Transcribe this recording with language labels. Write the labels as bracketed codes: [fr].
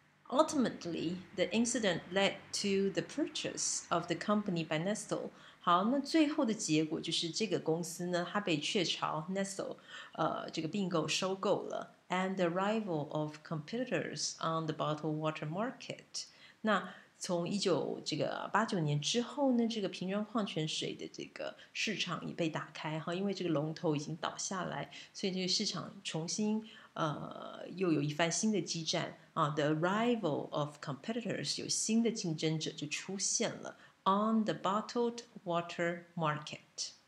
[en] Ultimately, the incident led to the purchase of the company by Nestle. [zh] 好，那最后的结果就是这个公司呢，它被雀巢 Nestle， 这个并购收购了。 [en] And the arrival of competitors on the bottled water market. [zh] 那从1989年之后呢，这个瓶装矿泉水的这个市场也被打开哈，因为这个龙头已经倒下来，所以这个市场重新又有一番新的激战。 [en] The arrival of competitors [zh] 有新的竞争者就出现了 [en] on the bottled water market.